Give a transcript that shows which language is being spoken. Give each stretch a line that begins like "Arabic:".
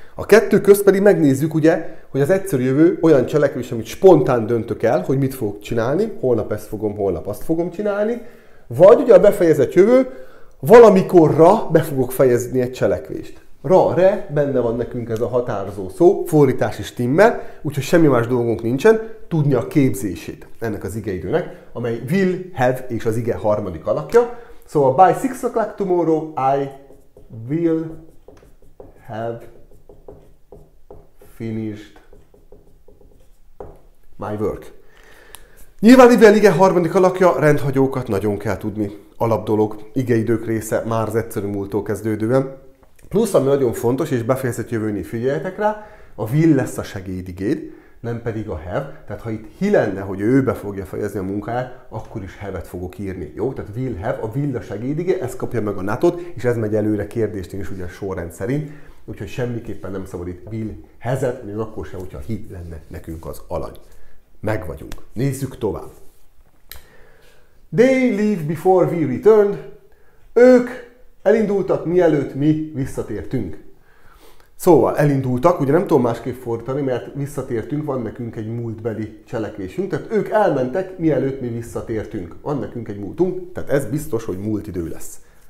Hungarian: A kettő közt pedig megnézzük ugye, hogy az egyszerű jövő olyan cselekvés, amit spontán döntök el, hogy mit fogok csinálni, holnap ezt fogom, holnap azt fogom csinálni, vagy ugye a befejezett jövő, valamikorra be fogok fejezni egy cselekvést. Ra-re, benne van nekünk ez a határozó szó, fordítás is stimmel, úgyhogy semmi más dolgunk nincsen, tudni a képzését ennek az igeidőnek, amely will, have és az ige harmadik alakja.
English: Szóval by 6 o'clock tomorrow I will have finished my work.
Hungarian: Nyilván, mivel ige harmadik alakja, rendhagyókat nagyon kell tudni. Alap dolog, igeidők része már az egyszerű múlttól kezdődően. Plusz, ami nagyon fontos, és befejezett jövőnél figyeljetek rá, a will lesz a segédigéd, nem pedig a have. Tehát ha itt he lenne, hogy ő be fogja fejezni a munkáját, akkor is have-et fogok írni. Jó? Tehát will have, a will a segédigé, ez kapja meg a not-ot, és ez megy előre kérdést is ugye a sorrend szerint. Úgyhogy semmiképpen nem szabad itt will has-et, még akkor sem, hogyha he lenne nekünk az alany. Meg vagyunk. Nézzük tovább.
English: They leave before we returned.
Hungarian: Ők elindultak, mielőtt mi visszatértünk. Szóval elindultak, ugye nem tudom másképp fordítani, mert visszatértünk, van nekünk egy múltbeli cselekvésünk. Tehát ők elmentek, mielőtt mi visszatértünk. Van nekünk egy múltunk, tehát ez biztos, hogy múlt idő lesz.